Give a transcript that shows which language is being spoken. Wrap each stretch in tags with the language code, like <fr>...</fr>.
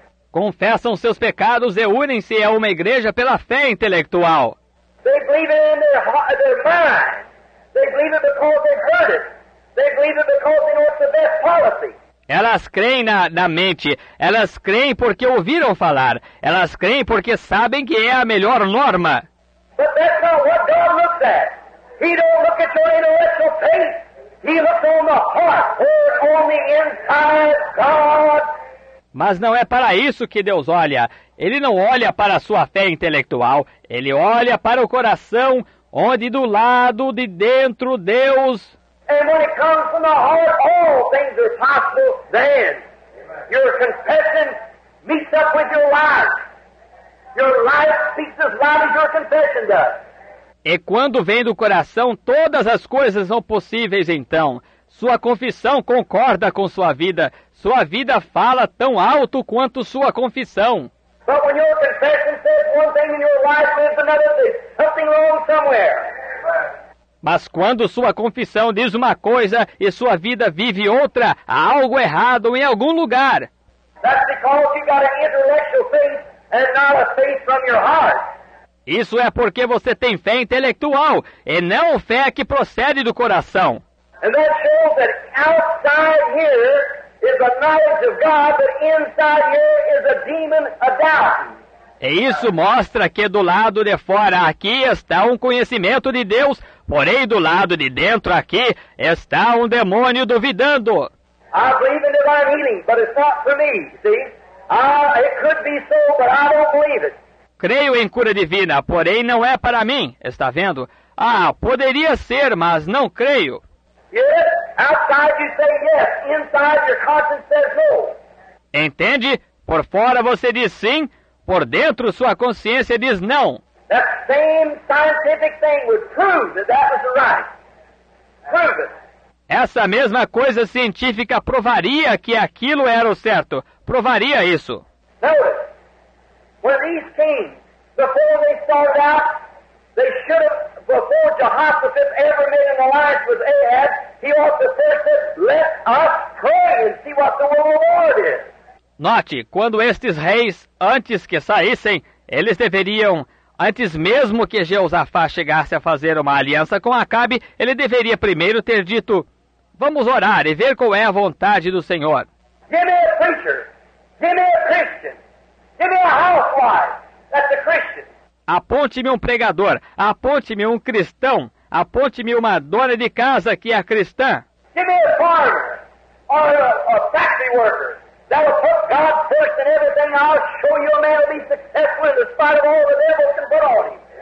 <pt>Confessam seus pecados e unem-se a uma igreja pela fé intelectual. Eles acreditam em seu mente.</pt> <en>They believe it because they've heard it. They believe it because they know it's the best policy.</en> <pt>Elas creem na mente. Elas creem porque ouviram falar. Elas creem porque sabem que é a melhor norma.</pt> <en>But that's not what God looks at. He don't look at your intellectual faith. He looks on the heart. We're on the inside, God.</en> <pt>Mas não é para isso que Deus olha. Ele não olha para a sua fé intelectual. Ele olha para o coração, onde do lado de dentro Deus.</pt> <en>And when it comes from the heart, all things are possible then. Your confession meets up with your life. Your life speaks as loud as your confession does.</en> <pt>E quando vem do coração, todas as coisas são possíveis então. Sua confissão concorda com sua vida. Sua vida fala tão alto quanto sua confissão.</pt> <en>But when your confession says one thing in your life and another, there's something wrong somewhere.</en> <pt>Mas quando sua confissão diz uma coisa e sua vida vive outra, há algo errado em algum lugar.</pt> <en>That's because you've got an intellectual faith and not a faith from your heart.</en> <pt>Isso é porque você tem fé intelectual e não fé que procede do coração.</pt> <en>And that shows that outside here is a knowledge of God, but inside here is a demon, a doubt.</en> <pt>E isso mostra que do lado de fora aqui está um conhecimento de Deus, porém do lado de dentro aqui está um demônio duvidando.</pt> <en>I believe in divine healing, but it's not for me, see? It could be so, but I don't believe it.</en> <pt>Creio em cura divina, porém não é para mim, está vendo? Ah, poderia ser, mas não creio.</pt> <en>Yes, outside you say yes, inside your conscience says no.</en> <pt>Entende? Por fora você diz sim, por dentro sua consciência diz não.</pt> <en>That same scientific thing would prove that that was right. Prove it.</en> <pt>Essa mesma coisa científica provaria que aquilo era o certo. Provaria isso.</pt> <en>Notice, when these kings, before they started out, they should have, before Jehoshaphat ever made an alliance with Ahab, he ought to first say, let us pray and see what the will of the Lord is.</en> <pt>Note, quando estes reis, antes que saíssem, eles deveriam, antes mesmo que Jeosafá chegasse a fazer uma aliança com Acabe, ele deveria primeiro ter dito, vamos orar e ver qual é a vontade do Senhor.</pt> <en>Give me a preacher, give me a Christian, give me a housewife, that's a Christian.</en> <pt>Aponte-me um pregador, aponte-me um cristão, aponte-me uma dona de casa que é cristã.</pt> <en>Give me a farmer, or a factory worker. That will put God first in everything. I'll show you a man will be successful in spite of all the devil can put on him.</en>